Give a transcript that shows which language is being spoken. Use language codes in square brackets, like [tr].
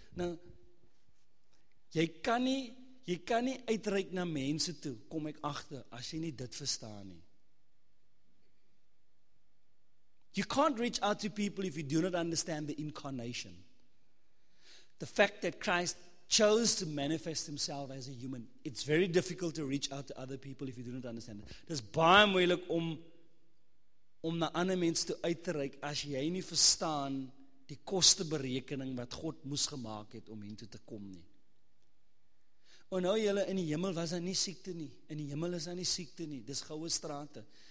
[af] Nou, jy kan nie uitreik na mense toe, kom ek agter, as jy nie dit verstaan nie. [en] You can't reach out to people if you do not understand the incarnation. The fact that Christ chose to manifest himself as a human. It's very difficult to reach out to other people if you do not understand it. [af] Dis baie moeilik om na ander mense toe uit te reik as jy nie verstaan die kosteberekening wat God moes gemaak het om hiertoe te kom nie. O nou julle, in die hemel was daar nie siekte nie. In die hemel is daar nie siekte nie. Dis goue strate.